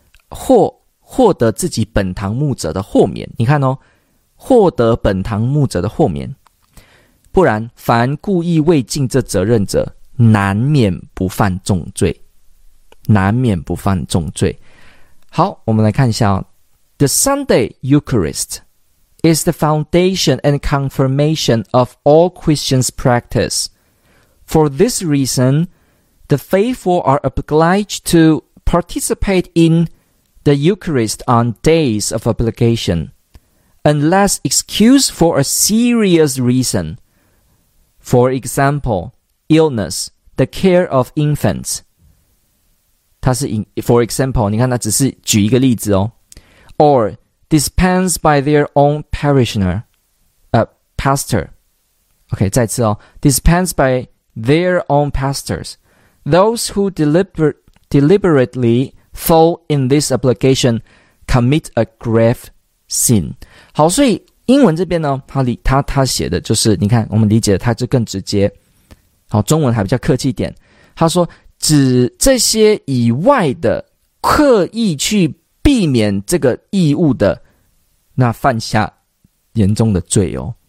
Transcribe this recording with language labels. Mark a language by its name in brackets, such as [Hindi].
[Chinese] 或获得自己本堂牧者的豁免，你看哦，获得本堂牧者的豁免，不然凡故意未尽这责任者，难免不犯重罪，难免不犯重罪。好，我们来看一下哦， [English] The Sunday Eucharist is the foundation and confirmation of all Christians' practice. For this reason, the faithful are obliged to participate inThe Eucharist on days of obligation, unless excused for a serious reason, for example, illness, The care of infants. [Chinese] 它是 [English] for example, [Chinese] 你看它只是举一个例子哦。 [English] Or dispensed by their own parishioner, pastor. Okay, [Chinese] 再次哦。 [English] Dispensed by their own pastors. Those who deliberately fall in this obligation commit a grave sin. [Chinese] 好，所以英文这边呢，他写的就是，你看我们理解的他就更直接。好，中文还比较客气一点。他说，指这些以外的刻意去避免这个义务的，那犯下严重的罪哦。